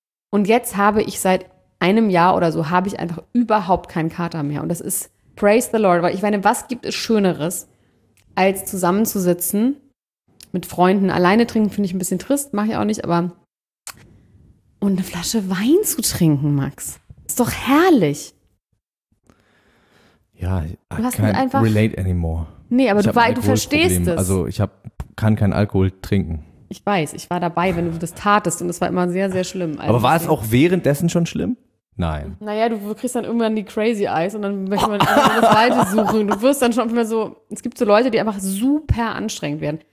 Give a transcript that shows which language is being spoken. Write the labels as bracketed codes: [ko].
[de] Und jetzt habe ich seit einem Jahr oder so, habe ich einfach überhaupt keinen Kater mehr. Und das ist, [en] praise the Lord, [de] weil ich meine, was gibt es Schöneres, als zusammenzusitzen mit Freunden. Alleine trinken finde ich ein bisschen trist, mache ich auch nicht, aber und eine Flasche Wein zu trinken, Max, ist doch herrlich. [en] Ja, I can't relate anymore. [de] Nee, aber du verstehst es. Also ich kann keinen Alkohol trinken. Ich weiß, ich war dabei, wenn du das tatest und es war immer sehr, sehr schlimm. Aber war es auch währenddessen schon schlimm? Nein. Naja, du kriegst dann irgendwann die Crazy Eyes und dann möchte man einfach das Weite suchen. Du wirst dann schon immer so, es gibt so Leute, die einfach super anstrengend werden.